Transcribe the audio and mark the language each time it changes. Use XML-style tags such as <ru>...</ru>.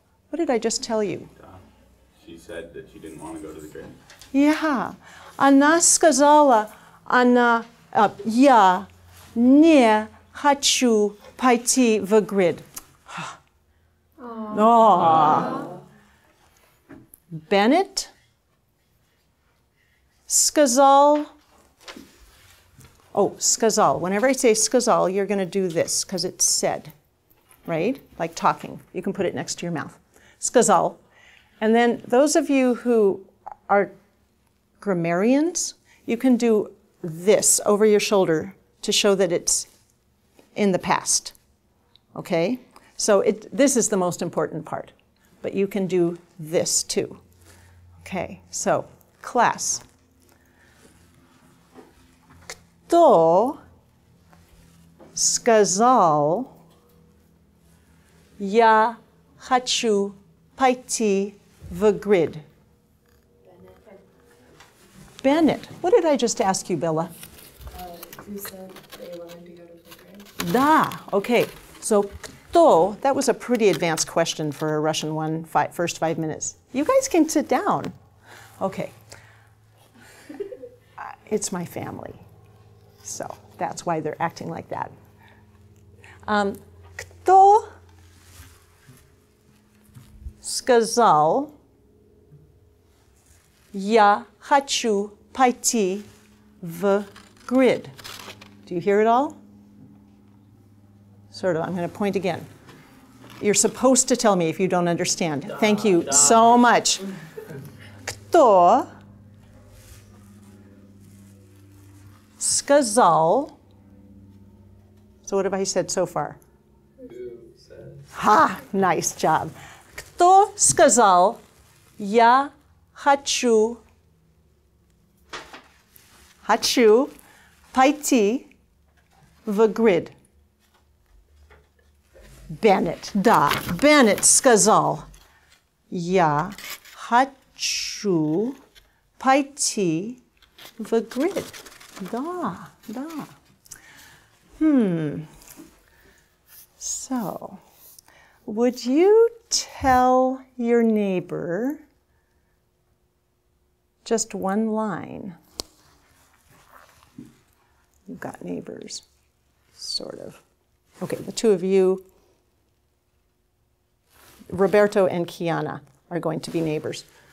<en>What did I just tell you? Said that she didn't want to go to the grid. Yeah.</en> <ru>Она сказала, она, я не хочу пойти в grid. Aww. Aww. Bennett сказал, oh, сказал.</ru> <en>Whenever I say сказал, you're going to do this because it's said, right? Like talking. You can put it next to your mouth.</en> <ru>Сказал.</ru> <en>And then those of you who are grammarians, you can do this over your shoulder to show that it's in the past, okay? So this is the most important part, but you can do this too. Okay, so class.</en> <ru>Кто сказал я хочу пойти the grid?</ru> <en>Bennett. What did I just ask you, Bella? You said they wanted to go to the grid. Da. Okay. So,</en> <ru>кто?</ru> <en>That was a pretty advanced question for a Russian one, first 5 minutes. You guys can sit down. Okay. It's my family. So, that's why they're acting like that.</en> <ru>Кто сказал я хочу пойти в grid?</ru> <en>Do you hear it all? Sort of. I'm going to point again. You're supposed to tell me if you don't understand. Thank you so much.</en> <ru>Кто сказал?</ru> <en>So what have I said so far? Who said? Ha! Nice job.</en> <ru>Кто сказал я хочу? Хочу пойти в grid. Bennett, да. Bennett сказал, я хочу пойти в grid. Да, да.</ru> <en>So, would you tell your neighbor just one line? You've got neighbors, sort of. Okay, the two of you, Roberto and Kiana, are going to be neighbors.</en>